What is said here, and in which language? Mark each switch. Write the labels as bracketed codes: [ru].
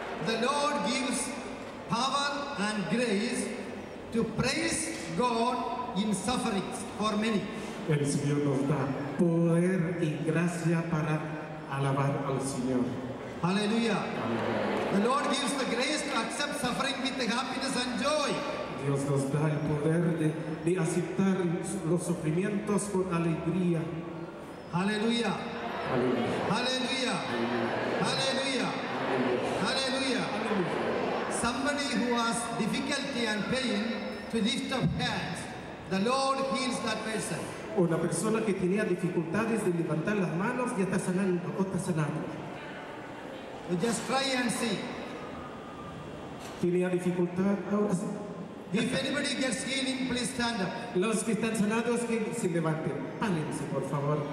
[en] The Lord gives power and grace to praise God in sufferings for many. [es] El Señor nos da poder y gracia para alabar al Señor. [en] Hallelujah. The Lord gives the grace to accept suffering with happiness and joy. [es] Dios nos da el poder de aceptar los sufrimientos con alegría. [en] Hallelujah. Hallelujah. Hallelujah. Hallelujah. Hallelujah. Hallelujah. Somebody who has difficulty and pain to lift up hands, the Lord heals that person. [es] Una persona que tenía dificultades de levantar las manos ya está sanando, o está sanando. [en] You just try and see. [es] Tenía dificultad, ahora sí. [en] If anybody gets healing, please stand up. [es] Los que están sanados, que se levanten. Párense, por favor.